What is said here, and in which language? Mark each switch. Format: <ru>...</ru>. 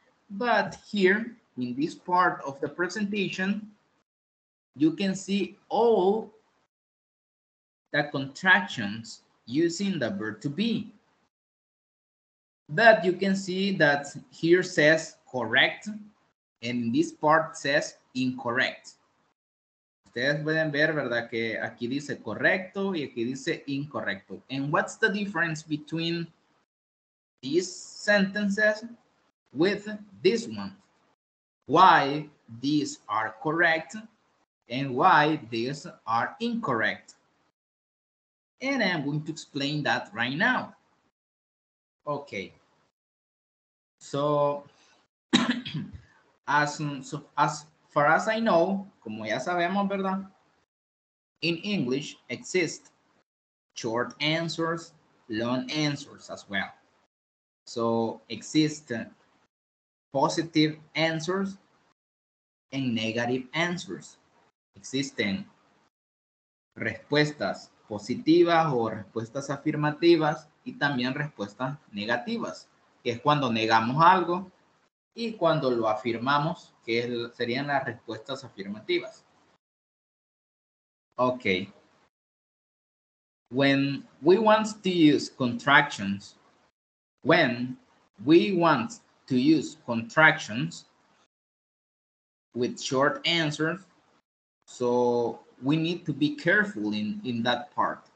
<en>But here, in this part of the presentation, you can see all the contractions using the verb to be. But you can see that here says correct, and this part says incorrect. Ok.</en> <es>ustedes pueden ver, ¿verdad? Que aquí dice correcto y aquí dice incorrecto.</es> <en>And what's the difference between these sentences with this one? Why these are correct and why these are incorrect? And I'm going to explain that right now. Okay. So, as far as I know,</en> <es>como ya sabemos, ¿verdad?</es> <en>In English exist short answers, long answers as well. So, exist positive answers and negative answers.</en> <es>Existen respuestas positivas o respuestas afirmativas y también respuestas negativas, que es cuando negamos algo y cuando lo afirmamos, que serían las respuestas afirmativas.</es> <en>Okay. When we want to use contractions, when we want to use contractions with short answers, so we need to be careful in that part.</en>